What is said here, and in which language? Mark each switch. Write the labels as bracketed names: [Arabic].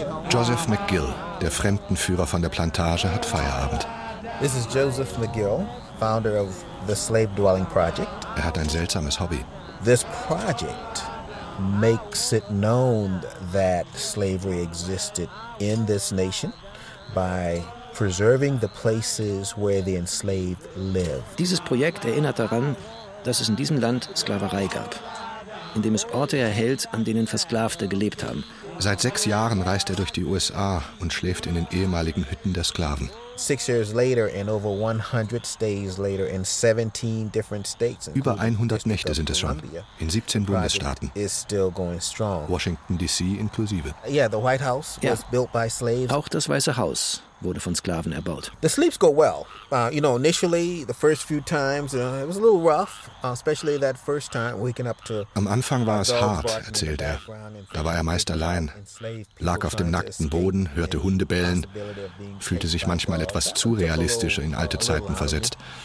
[German] Joseph McGill, der Fremdenführer von der Plantage, hat Feierabend. [English] This is Joseph McGill, founder of the Slave Dwelling Project. [German] Er hat ein seltsames Hobby. [English] This project makes it known that slavery existed in this nation by preserving the places where the enslaved lived. [German] Dieses Projekt erinnert daran, dass es in diesem Land Sklaverei gab, indem es Orte erhält, an denen Versklavte gelebt haben. Seit 6 Jahren reist er durch die USA und schläft in den ehemaligen Hütten der Sklaven. [English] 6 years later and over 100 stays later in 17 different states. [German] Über 100 Nächte sind es schon in 17 Bundesstaaten. [English] Is still going strong. [German] Washington DC inklusive. [English] Yeah, the White House was built by slaves. [German] Auch das Weiße Haus wurde von Sklaven erbaut. [English] The sleeps go well. You know, initially the first few times it was a little rough, especially that first time waking up to. [German] Am Anfang war es hart, erzählt er. Da war er meist allein, lag auf dem nackten Boden, hörte Hunde bellen, fühlte sich manchmal etwas zu realistisch in alte Zeiten versetzt.